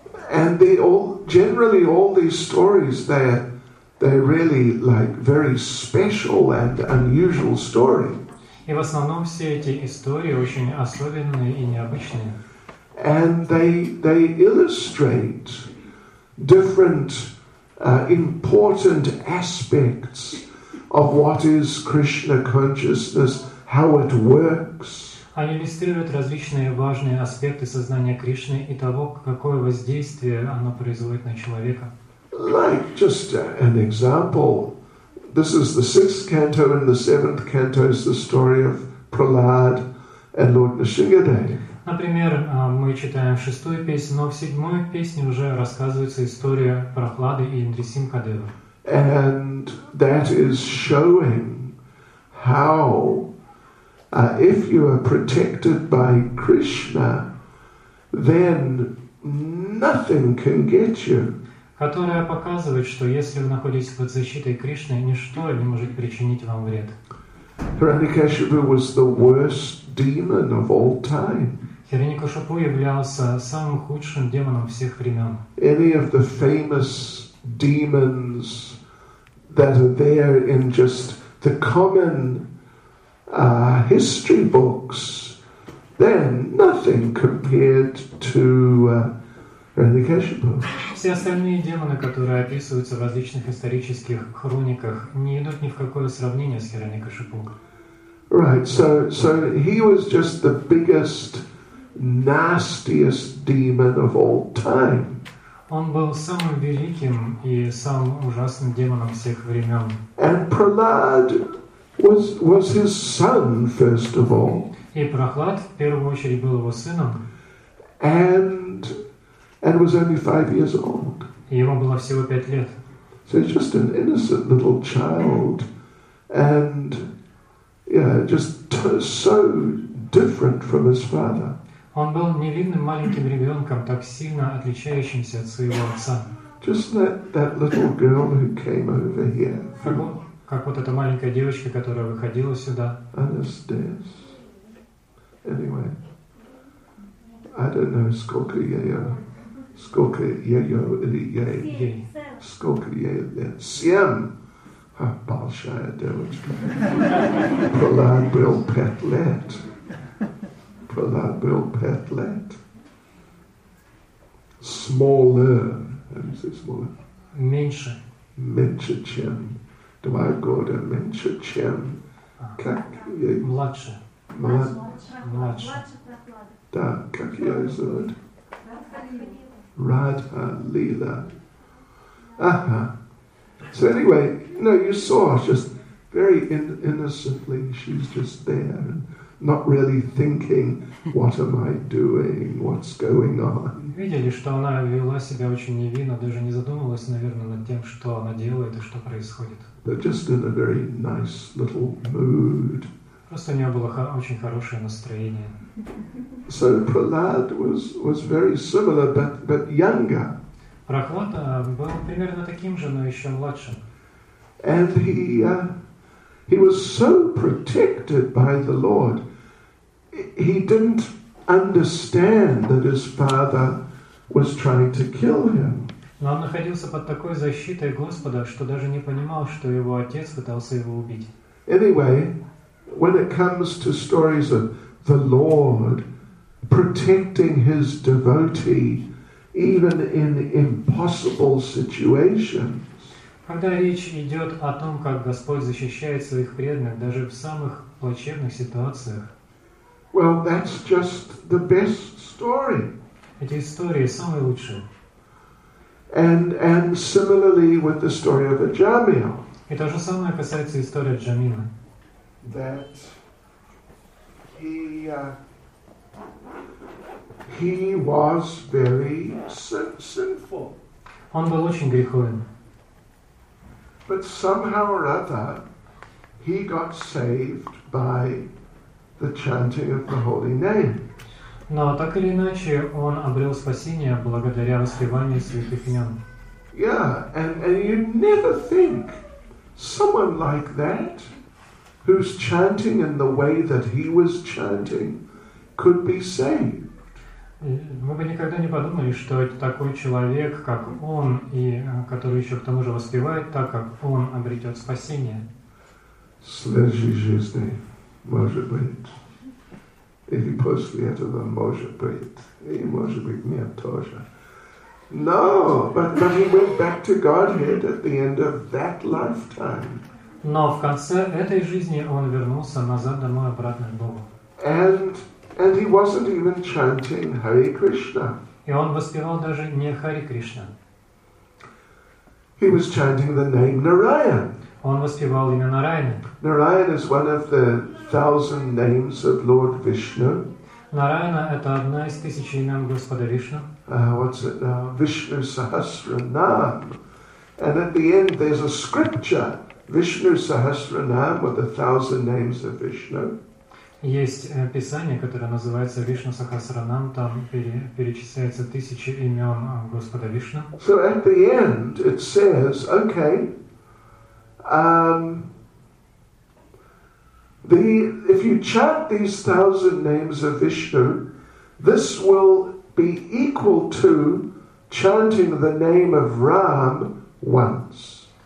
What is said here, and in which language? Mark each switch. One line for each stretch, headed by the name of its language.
English: And they all generally all these stories they're really like very special and unusual story.
Russian: И в основном все эти истории очень особенные и необычные.
English: And they illustrate different important aspects of what is Krishna consciousness, how it works.
Russian: Они иллюстрируют различные важные аспекты сознания Кришны и того, какое воздействие оно производит на человека.
English: Like just an example, this is the sixth canto, and the seventh canto is the story of Prahlad and Lord Nrsingadev.
Russian: Например, мы читаем шестую песню, но в седьмой песне уже рассказывается история Прохлады и Нрисимхадева.
English: And that is showing how if you are protected by Krishna, then nothing can get you.
Russian: Которая показывает, что если вы находитесь под защитой Кришны, ничто не может причинить вам вред.
English: Hiranyakashipu was the worst demon of all time.
Russian: Хирикошапу являлся самым худшим демоном всех времен.
English: Any of the famous demons that are there in just the common history books, they're nothing compared to Hirinikeshipu.
Russian: Все остальные демоны, которые описываются в различных исторических хрониках, не идут ни в какое сравнение с Хирикошапу.
English: Right, so he was just the biggest, nastiest demon of all time.
Russian: Он был самым великим и самым ужасным демоном всех времен.
English: And Prahlad was his son, first of all.
Russian: И Прохлад в первую очередь был его сыном.
English: And was only 5 years old.
Russian: Ему было всего 5 лет.
English: So he's just an innocent little child, and yeah, just so different from his father.
Russian: Он был невинным маленьким ребенком, так сильно отличающимся от своего отца.
English: Just that little girl who came over here.
Russian: Как вот эта маленькая девочка, которая выходила сюда.
English: Anastas. Anyway, I don't know
Russian: сколько ей, лет. Сем. А большая девочка. Прохлад был 5 лет. Prahlad был 5 лет.
English: Smaller. How do you say smaller?
Russian: Меньше. Меньше чем. Два года меньше чем. Как я... Младше. Младше. Да, как я зовут. Радха Лила. Ага.
English: So anyway, no, you saw just very innocently, she's just there, not really thinking, what am I doing, what's going on.
Russian: Видели, что она вела себя очень невинно, даже не задумывалась, наверное, над тем, что она делает и что происходит.
English: But just in a very nice little mood.
Russian: Просто у нее было очень хорошее настроение.
English: So Prahlad was very similar, but younger.
Russian: Прохлад был примерно таким же, но еще младше.
English: And he was so protected by the Lord. He didn't understand that his father was trying to kill him.
Russian: Но он находился под такой защитой Господа, что даже не понимал, что его отец пытался его убить.
English: Anyway, when it comes to stories of the Lord protecting his devotee, even in impossible situations.
Russian: Когда речь идет о том, как Господь защищает своих преданных даже в самых плачевных ситуациях.
English: Well, that's just the best story.
Russian: Эти истории самые лучшие.
English: And similarly with the story of Аджамил.
Russian: И то же самое касается истории Аджамила.
English: That he was very sinful.
Russian: Он был очень греховен.
English: But somehow or other, he got saved by the chanting of the holy name.
Russian: Но так или иначе, он обрел спасение благодаря воспеванию святых имен.
English: Yeah, and you never think someone like that, who's chanting in the way that he was chanting, could be saved.
Russian: Мы бы никогда не подумали, что это такой человек, как он, и который еще к тому же воспевает, так как он обретет спасение. В следующей жизни, может быть, или после этого, может быть, и может быть, нет, тоже.
English: No, but he went back to Godhead at the end of that lifetime.
Russian: Но в конце этой жизни он вернулся назад домой обратно к Богу.
English: And he wasn't even chanting Hare Krishna.
Russian: И он воспевал даже не Хари Кришна.
English: He was chanting the name Narayan.
Russian: Он воспевал имя Нараяна.
English: Narayan is one of the 1000 names of Lord Vishnu.
Russian: Нараяна это одна из тысяч имен Господа Вишну.
English: What's it now? Vishnu Sahasranam. And at the end there's a scripture, Vishnu Sahasranam with 1000 names of Vishnu.
Russian: Есть писание, которое называется Вишну Сахасранам, там перечисляется 1000 имен Господа Вишну.
English: So at the end it says, okay, If you chant these thousand names of Vishnu, this will be equal to chanting the name of Ram once.